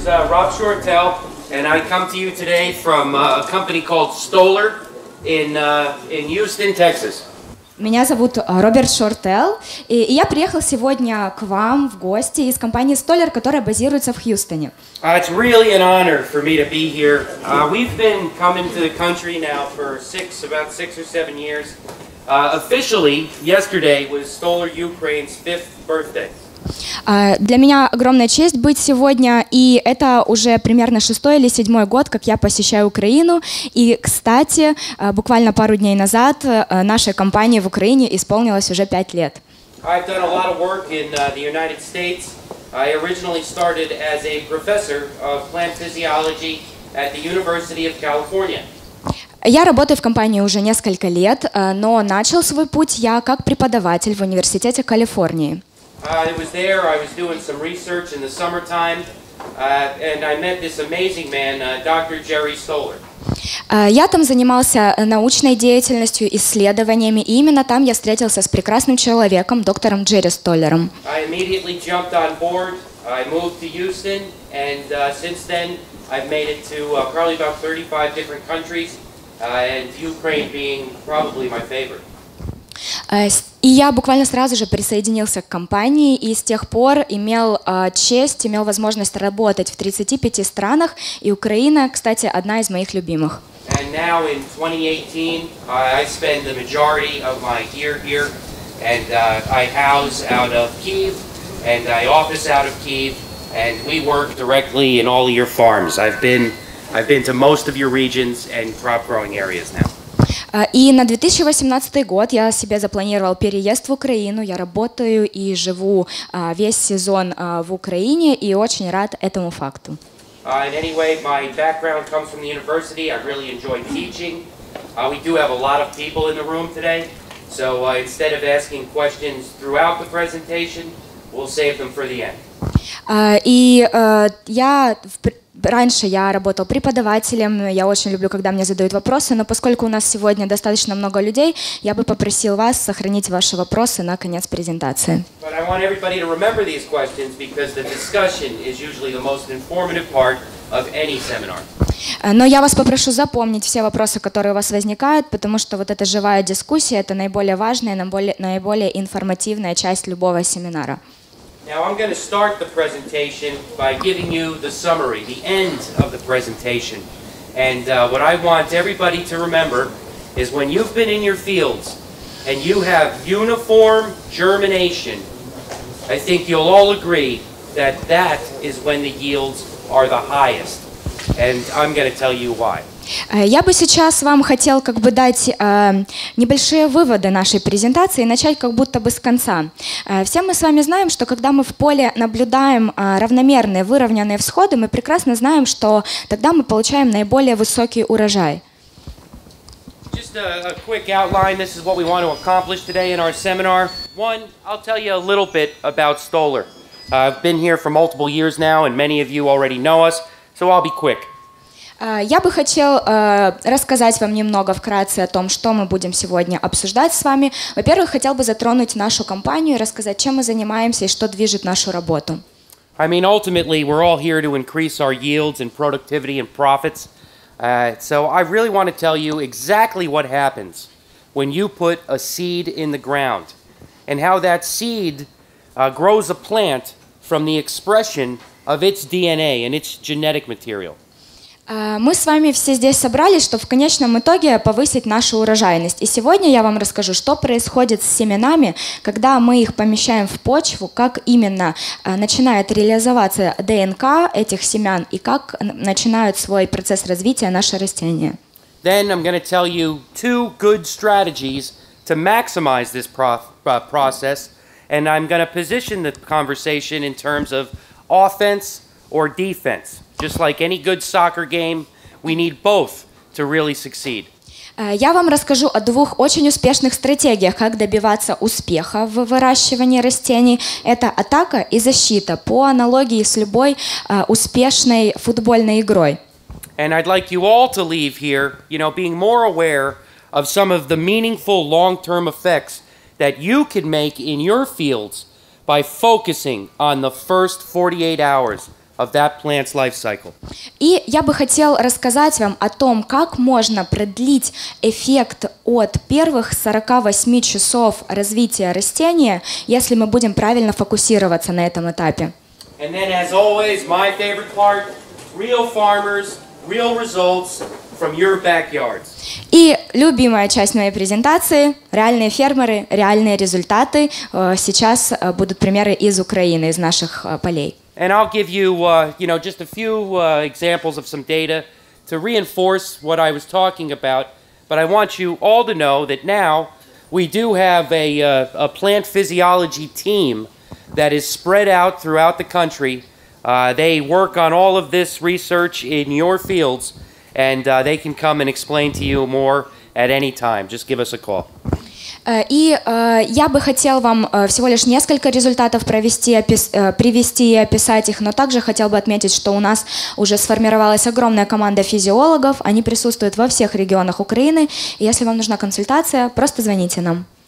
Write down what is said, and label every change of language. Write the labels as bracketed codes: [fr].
[en] Rob Shortell, and I come to you today from a company called Stoller in Houston, Texas. [ru] Меня зовут Роберт Шортелл, и я приехал сегодня к вам в гости из компании Stoller, которая базируется в Хьюстоне. [en] It's really an honor for me to be here. We've been coming to the country now for about six or seven years. Officially, yesterday was Stoller Ukraine's 5th birthday. [ru] Для меня огромная честь быть сегодня, и это уже примерно 6-й или 7-й год, как я посещаю Украину. И, кстати, буквально пару дней назад нашей компании в Украине исполнилось уже 5 лет. [en] I've done a lot of work in the United States. I originally started as a professor of plant physiology at the University of California. [ru] Я работаю в компании уже несколько лет, но начал свой путь я как преподаватель в Университете Калифорнии. [en] It was there. I was doing some research in the summertime, and I met this amazing man, Dr. Jerry Stoller. [ru] Я там занимался научной деятельностью, исследованиями, и именно там я встретился с прекрасным человеком, доктором Джерри Столлером. [en] I immediately jumped on board. I moved to Houston, and since then I've made it to probably about 35 different countries, and Ukraine being probably my favorite. [ru] И я буквально сразу же присоединился к компании и с тех пор имел честь, имел возможность работать в 35 странах, и Украина, кстати, одна из моих любимых. [en] And now in 2018, I spend the majority of my year here, and I house out of Kyiv, and I office out of Kyiv, and we work directly in all of your farms. I've been to most of your regions and crop growing areas now. [ru] И на 2018 год я себе запланировал переезд в Украину. Я работаю и живу весь сезон в Украине и очень рад этому факту. [en] Anyway, my background comes from the university. I really enjoy teaching. We do have a lot of people in the room today. So instead of asking questions throughout the presentation, we'll save them for the end. [ru] Раньше я работал преподавателем, я очень люблю, когда мне задают вопросы, но поскольку у нас сегодня достаточно много людей, я бы попросил вас сохранить ваши вопросы на конец презентации. [en] But I want everybody to remember these questions, because the discussion is usually the most informative part of any seminar. [ru] Но я вас попрошу запомнить все вопросы, которые у вас возникают, потому что вот эта живая дискуссия – это наиболее важная, наиболее информативная часть любого семинара. [en] Now I'm going to start the presentation by giving you the summary, the end of the presentation. And what I want everybody to remember is when you've been in your fields and you have uniform germination, I think you'll all agree that that is when the yields are the highest. And I'm going to tell you why. [ru] Я бы сейчас вам хотел как бы дать небольшие выводы нашей презентации и начать как будто бы с конца. Все мы с вами знаем, что когда мы в поле наблюдаем равномерные, выровненные всходы, мы прекрасно знаем, что тогда мы получаем наиболее высокий урожай. [en] Just a quick outline. This is what we want to accomplish today in our seminar. One, I'll tell you a little bit about Stoller. I've been here for multiple years now, and many of you already know us, so I'll be quick. [ru] Я бы хотел рассказать вам немного вкратце о том, что мы будем сегодня обсуждать с вами. Во-первых, хотел бы затронуть нашу компанию и рассказать, чем мы занимаемся и что движет нашу работу. [en] I mean, ultimately, we're all here to increase our yields and productivity and profits. So I really want to tell you exactly what happens when you put a seed in the ground and how that seed grows a plant from the expression of its DNA and its genetic material. [ru] Мы с вами все здесь собрались, чтобы в конечном итоге повысить нашу урожайность. И сегодня я вам расскажу, что происходит с семенами, когда мы их помещаем в почву, как именно начинает реализоваться ДНК этих семян и как начинают свой процесс развития наши растения. [en] Then I'm going to tell you two good strategies to maximize this process, and I'm going to position the conversation in terms of offense or defense. Just like any good soccer game, we need both to really succeed. [ru] Я вам расскажу о двух очень успешных стратегиях, как добиваться успеха в выращивании растений. Это атака и защита, по аналогии с любой успешной футбольной игрой. [en] And I'd like you all to leave here, you know, being more aware of some of the meaningful long-term effects that you could make in your fields by focusing on the first 48 hours of that plant's life cycle. [ru] И я бы хотел рассказать вам о том, как можно продлить эффект от первых 48 часов развития растения, если мы будем правильно фокусироваться на этом этапе. [en] And then, as always, my favorite part, real farmers, real results from your backyards. [ru] И любимая часть моей презентации – реальные фермеры, реальные результаты. Сейчас будут примеры из Украины, из наших полей. [en] And I'll give you, you know, just a few examples of some data to reinforce what I was talking about. But I want you all to know that now we do have a plant physiology team that is spread out throughout the country. They work on all of this research in your fields, and they can come and explain to you more at any time. Just give us a call. [ru] И я бы хотел вам всего лишь несколько результатов привести и описать их, но также хотел бы отметить, что у нас уже сформировалась огромная команда физиологов, они присутствуют во всех регионах Украины, и если вам нужна консультация, просто звоните нам.